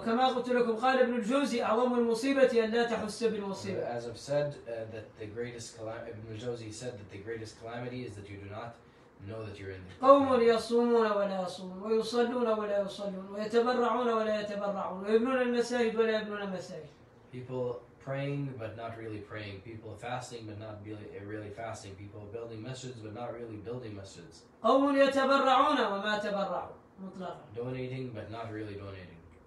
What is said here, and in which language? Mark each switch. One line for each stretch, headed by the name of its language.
Arabic: وكما قلت لكم قال ابن الجوزي أعظم المصيبة أن لا تحس بالمصيبة.
English: As I've said, that the greatest calamity, Ibn al-Jawzi said that the greatest calamity is that you do not know that you're in the
Arabic: قوم يصومون ولا يصومون ويصلون ولا يصلون ويتبرعون ولا يتبرعون ويبنون المساجد ولا يبنون المساجد.
English: People praying but not really praying. People fasting but not really fasting. People building masjids but not really building masjids.
Arabic: قوم يتبرعون وما تبرعوا مطلقا.
English: Donating but not really donating.